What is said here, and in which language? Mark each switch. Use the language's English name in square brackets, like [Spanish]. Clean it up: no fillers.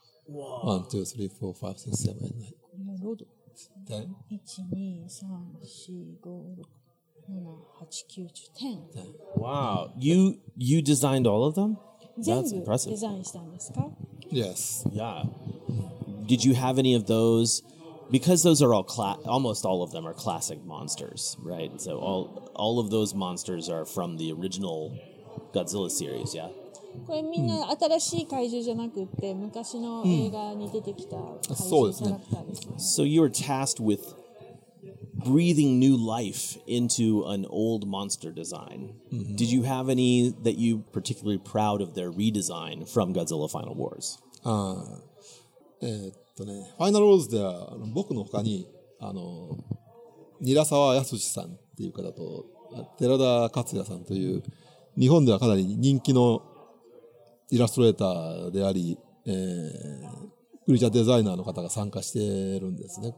[English] ワン、ツー、スリー、フォー、ファイブ、シックス、セブン、エイト。ロード。テン。 [Japanese] 一、二、三、四、五、六、七、八、九、十、 [English] テン。テン。 Wow. You designed all of them? That's impressive. [Japanese] 全部デザインしたんですか? [English] Yes. Yeah. Did you have any of those? Because those are almost all of them are classic monsters, right? So all of those monsters are from the originalGodzilla series, yeah. [Japanese] これみんな新しい怪獣じゃなくて昔の映画に出てきた怪獣キャラクターですね。 [English] So you were tasked with breathing new life into an old monster design. Did you have any that you particularly proud of their redesign from Godzilla Final Wars? [Japanese] Final Wars では僕の他にニラサワヤスシさんっていう方と寺田克也さんという日本ではかなり人気のイラストレーターであり、クリーチャーデザイナーの方が参加してるんですね。